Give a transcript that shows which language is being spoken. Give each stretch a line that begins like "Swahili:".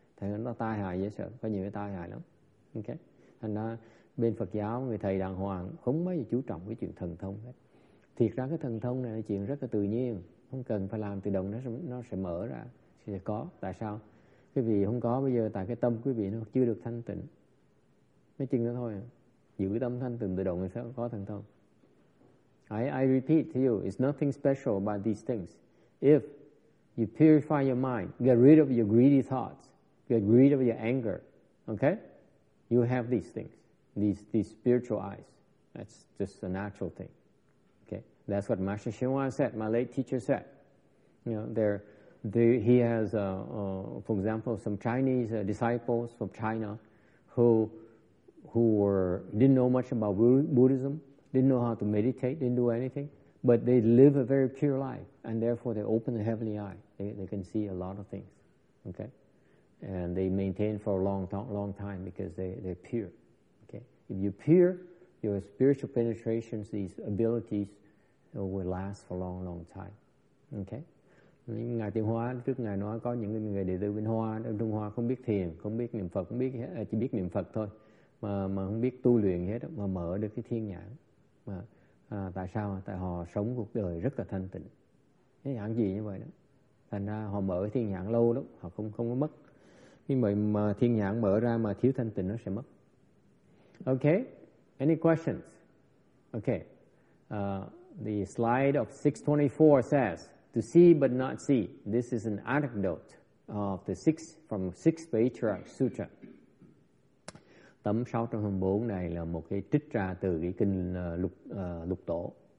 Vietnamese: Thì nó tai hại dễ sợ, có nhiều cái tai hại lắm. Ok. Thành ra bên Phật giáo người thầy đàng hoàng không bao giờ chú trọng cái chuyện thần thông hết. Thiệt ra cái thần thông này là chuyện rất là tự nhiên, không cần phải làm, tự động nó sẽ mở ra, sẽ có. Tại sao? Quý vị không có bây giờ tại cái tâm quý vị nó chưa được thanh tịnh. Mấy chừng đó thôi. Giữ cái tâm thanh tịnh tự động thì sẽ có thần thông.
English: I repeat to you, it's nothing special about these things. If you purify your mind, get rid of your greedy thoughts, get rid of your anger, okay? You have these things. These spiritual eyes. That's just a natural thing. Okay, that's what Master Shinwan said. My late teacher said, you know, he has, for example, some Chinese disciples from China, who were didn't know much about Buddhism, didn't know how to meditate, didn't do anything, but they live a very pure life, and therefore they open the heavenly eye. They can see a lot of things. Okay, and they maintain for a long time because they're pure. If you peer, your spiritual penetrations, these abilities, will last for a long, long time. Okay?
Vietnamese: Ngài Tiên Hóa trước ngài nói có những người đệ tử bên Hoa, Trung Hoa không biết thiền, không biết niệm Phật, chỉ biết niệm Phật thôi, mà không biết tu luyện hết, mà mở được cái thiên nhãn. Mà tại sao? Tại họ sống cuộc đời rất là thanh tịnh. Cái nhãn gì như vậy đó? Thành ra họ mở cái thiên nhãn lâu lắm, họ không có mất. Nhưng mà thiên nhãn mở ra mà thiếu thanh tịnh nó sẽ mất.
English: Okay, any questions? Okay, the slide of 624 says, to see but not see. This is an anecdote of the six Vajra Sutra.
Vietnamese: Tấm 624 này là một cái trích ra từ cái kinh lục tổ.